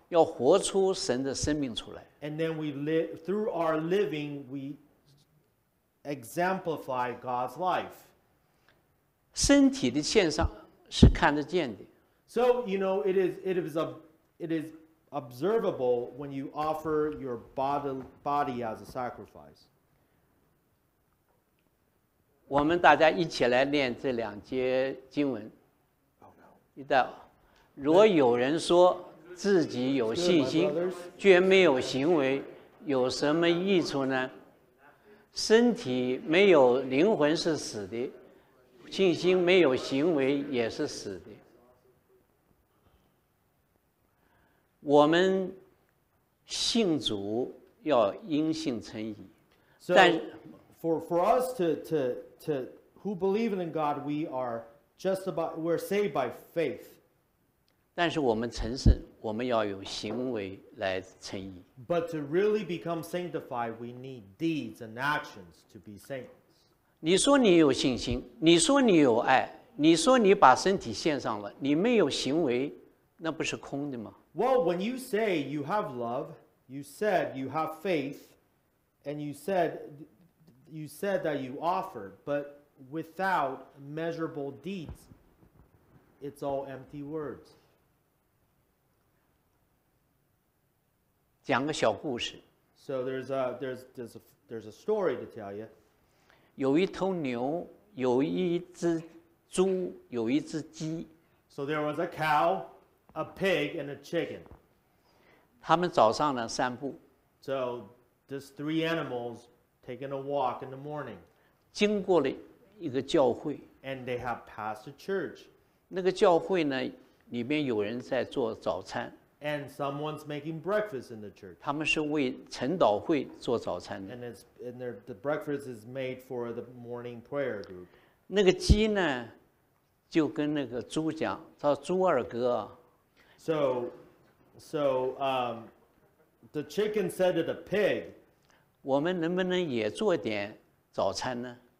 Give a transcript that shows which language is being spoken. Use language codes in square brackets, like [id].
[zh] 要活出神的生命出来。 [en] And then we live through our living, we exemplify God's life. [zh] 身体的线上是看得见的。 [en] So you know it is observable when you offer your body as a sacrifice. [zh] 我们大家一起来念这两节经文。一道，若有人说自己有信心，却没有行为，有什么益处呢？身体没有灵魂是死的，信心没有行为也是死的。我们信主要因信称义，但 [en] for us to who believe in God, we are. Just about we're saved by faith. [zh] 但是我们成圣，我们要有行为来称义。 [en] But to really become sanctified, we need deeds and actions to be saints. [zh] 你说你有信心，你说你有爱，你说你把身体献上了，你没有行为，那不是空的吗？ [en] Well, when you say you have love, you said you have faith, and you said that you offered, but. Without measurable deeds, it's all empty words. [zh] 讲个小故事。 [en] So there's a story to tell you. [zh] 有一头牛，有一只猪，有一只鸡。 [en] So there was a cow, a pig, and a chicken. [zh] 他们早上呢散步。 [en] So these three animals taking a walk in the morning. [zh] 经过了。一个教会 [en] and they have passed a church. [zh] 那个教会呢，里面有人在做早餐 [en] and someone's making breakfast in the church. [zh] 他们是为晨祷会做早餐的 [en] and the breakfast is made for the morning prayer group. [zh] 那个鸡呢，就跟那个猪讲，叫猪二哥。 [en] So, the chicken said to the pig, [zh] 我们能不能也做点早餐呢？